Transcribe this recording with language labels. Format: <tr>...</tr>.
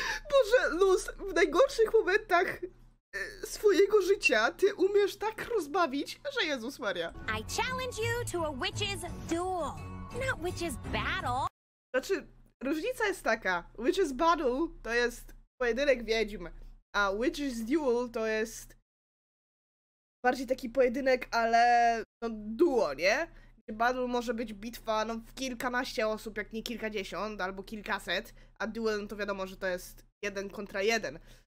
<pl>Boże, Luz, w najgorszych momentach swojego życia ty umiesz tak rozbawić, że Jezus Maria.</pl> <en>I challenge you to a witch's duel, not witch's battle.</en> <pl>Znaczy, różnica jest taka, witch's battle to jest pojedynek wiedźm, a witch's duel to jest bardziej taki pojedynek, ale no duo, nie? Gdzie battle może być bitwa no w kilkanaście osób, jak nie kilkadziesiąt albo kilkaset, a duel no to wiadomo, że to jest jeden kontra jeden.</pl>